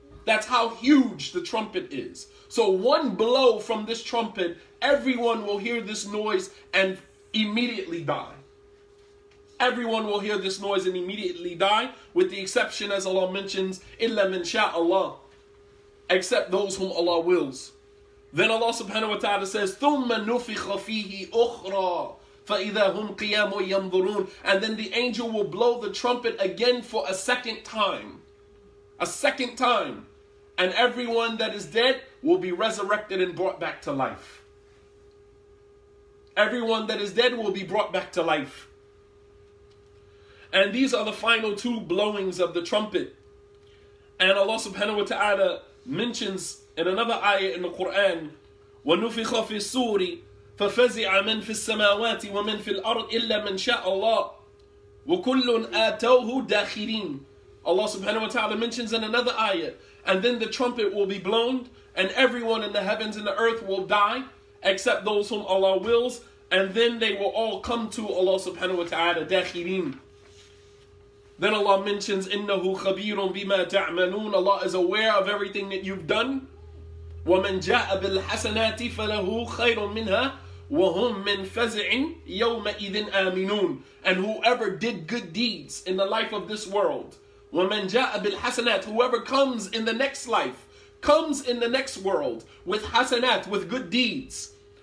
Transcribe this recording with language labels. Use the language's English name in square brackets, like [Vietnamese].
[English] That's how huge the trumpet is. So one blow from this trumpet, everyone will hear this noise and immediately die. Everyone will hear this noise and immediately die, with the exception, as Allah mentions, [Arabic] إِلَّا مِنْ شَاءَ اللَّهِ, [English] except those whom Allah wills. Then Allah subhanahu wa ta'ala says, [Arabic] ثُمَّ نُفِخَ فِيهِ أُخْرَى فَإِذَا هُمْ قِيَامُ يَنْظُرُونَ. [English] And then the angel will blow the trumpet again for a second time. A second time. And everyone that is dead will be resurrected and brought back to life. Everyone that is dead will be brought back to life. And these are the final two blowings of the trumpet. And Allah subhanahu wa ta'ala mentions in another ayah in the Quran, [Arabic] وَنُفِخَ فِي السُّورِ فَفَزِعَ مَنْ فِي السَّمَاوَاتِ وَمَنْ فِي الْأَرْضِ إِلَّا مَنْ شَاءَ اللَّهِ وَكُلٌ آتَوْهُ دَاخِرِينَ. [English] Allah subhanahu wa ta'ala mentions in another ayah, and then the trumpet will be blown, and everyone in the heavens and the earth will die, except those whom Allah wills, and then they will all come to Allah subhanahu wa ta'ala, دَاخِرِينَ. Then Allah mentions, [Arabic] إِنَّهُ خَبِيرٌ بِمَا تَعْمَلُونَ. [English] Allah is aware of everything that you've done. [Arabic] وَمَنْ جَاءَ بِالْحَسَنَاتِ فَلَهُ خَيْرٌ مِنْهَا وَهُمْ مِنْ فَزِعٍ يَوْمَئِذٍ آمِنُونَ. [English] And whoever did good deeds in the life of this world, [Arabic] وَمَنْ جَاءَ بِالْحَسَنَاتِ, [English] whoever comes in the next life, comes in the next world with hasanat, with good deeds,